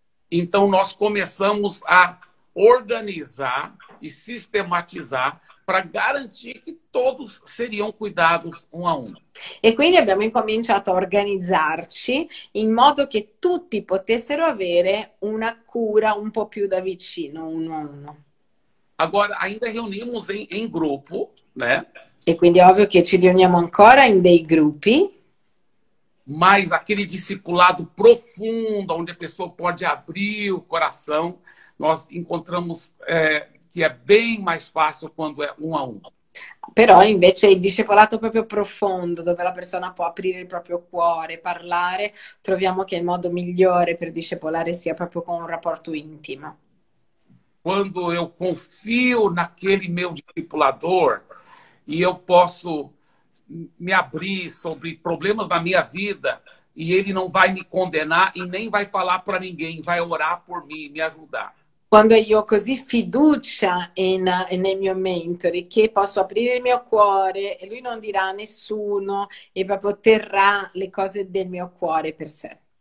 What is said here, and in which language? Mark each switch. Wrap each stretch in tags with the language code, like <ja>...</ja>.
<pt>Então nós começamos a organizar e sistematizar para garantir que todos seriam cuidados um a um.</pt> <it>E quindi abbiamo incominciato a organizzarci in modo che tutti potessero avere una cura un po' più da vicino, uno a uno.</it> <pt>Agora, ainda reunimos em grupo, né?</pt> <it>E quindi è ovvio che ci riuniamo ancora in dei gruppi.</it> <pt>Mas aquele discipulado profundo, onde a pessoa pode abrir o coração, nós encontramos que é bem mais fácil quando é um a um.</pt> <it>Però invece il discepolato proprio profondo, dove la persona può aprire il proprio cuore, parlare, troviamo che il modo migliore per discepolare sia proprio con un rapporto intimo.</it> <pt>Quando eu confio naquele meu discipulador e eu posso me abrir sobre problemas da minha vida e ele não vai me condenar e nem vai falar para ninguém, vai orar por mim, me ajudar.</pt> <it>Quando io ho così fiducia nel mio mentore che posso aprire il mio cuore e lui non dirà a nessuno e proprio terrà le cose del mio cuore per sé.</it>